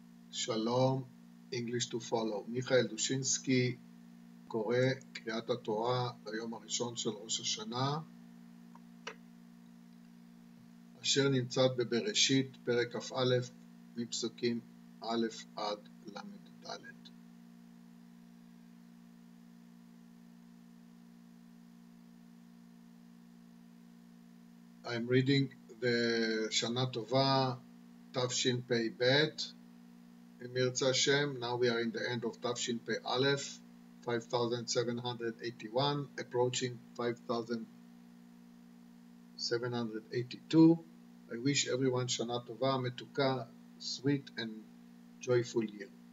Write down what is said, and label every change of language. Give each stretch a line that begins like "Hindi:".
English: שלום, English to follow.
Hebrew: מיכאל דושינסקי קורא קריאת התורה ביום הראשון של ראש השנה, אשר נמצאת בבראשית, פרק כ"א, מפסוקים א' עד ל' ד'. I'm reading the שנה טובה, תשפ"ב, אם ירצה השם.
English: Now we are in the end of Tavshin Pei Aleph, 5781, approaching 5782. I wish everyone שנה טובה, מתוקה, sweet and joyful year.